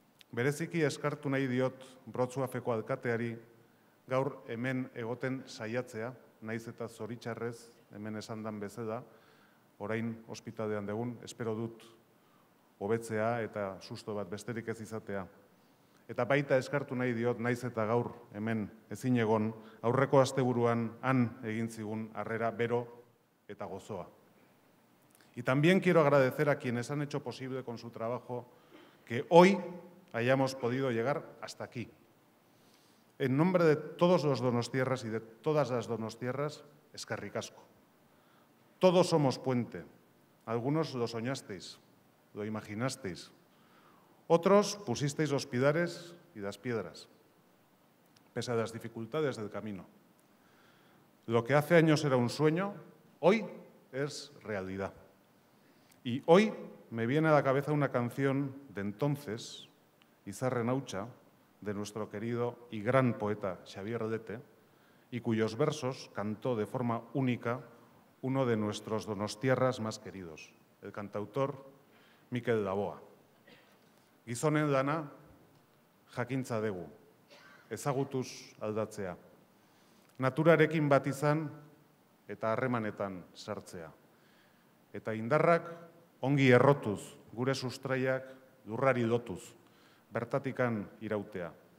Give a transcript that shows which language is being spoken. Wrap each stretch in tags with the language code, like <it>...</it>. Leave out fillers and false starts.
<eu>Bereziki eskartu nahi diot Brotzuafeko alkateari gaur hemen egoten saiatzea, naiz eta zoritxarrez hemen esan dan bezala, orain ospitalean degun, espero dut hobetzea eta susto bat besterik ez izatea. Eta baita eskartu nahi diot, naiz eta gaur hemen ezin egon, aurreko asteburuan han egin zigun harrera bero eta gozoa.</eu> <es>Y también quiero agradecer a quienes han hecho posible con su trabajo que hoy hayamos podido llegar hasta aquí. En nombre de todos los donostierras y de todas las donostierras,</es> <eu>eskerrik asko.</eu> <es>Todos somos puente. Algunos lo soñasteis, lo imaginasteis. Otros pusisteis los pilares y las piedras, pese a las dificultades del camino. Lo que hace años era un sueño, hoy es realidad. Y hoy me viene a la cabeza una canción de entonces, Izarren Hautsa, de nuestro querido y gran poeta Xavier Lete, y cuyos versos cantó de forma única uno de nuestros donostiarras más queridos, el cantautor Mikel Laboa.</es> <eu>Gizonen lana jakintza dugu, ezagutuz aldatzea. Naturarekin bat izan eta harremanetan sartzea. Eta indarrak ongi errotuz, gure sustraiak lurrari lotuz, bertatikan irautea.</eu>